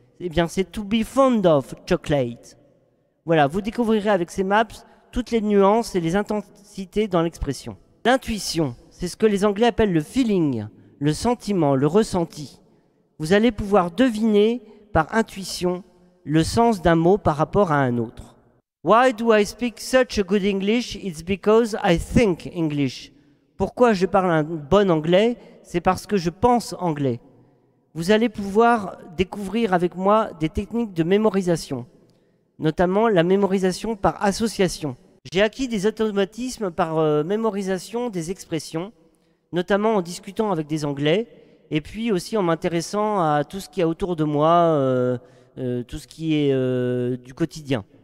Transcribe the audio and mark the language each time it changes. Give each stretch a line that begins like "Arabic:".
French: Eh bien, c'est
English: to be fond of chocolate.
French: Voilà, vous découvrirez avec ces maps toutes les nuances et les intensités dans l'expression. L'intuition. C'est ce que les Anglais appellent le feeling, le sentiment, le ressenti. Vous allez pouvoir deviner par intuition le sens d'un mot par rapport à un autre.
English: Why do I speak such a good English? It's because I think English.
French: Pourquoi je parle un bon anglais? C'est parce que je pense anglais. Vous allez pouvoir découvrir avec moi des techniques de mémorisation, notamment la mémorisation par association. J'ai acquis des automatismes par mémorisation des expressions, notamment en discutant avec des Anglais, et puis aussi en m'intéressant à tout ce qu'il y a autour de moi, tout ce qui est du quotidien.